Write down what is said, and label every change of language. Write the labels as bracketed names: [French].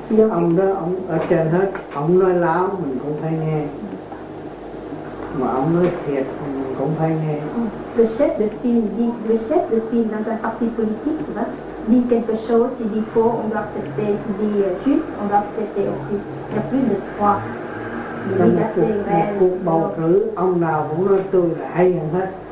[Vietnamese] Ông đó, ông ở trên hết, ông nói láo mình cũng phải nghe. Mà ông nói thiệt mình cũng phải nghe. [French] Le chef de file dit, le chef de file dans un parti politique, là, dit quelque chose, s'il dit faux, on doit accepter, s'il dit juste, on doit accepter aussi. Il n'y a plus de droits. Dans [Vietnamese] cuộc bầu cử, ông nào cũng nói tôi là hay hơn hết.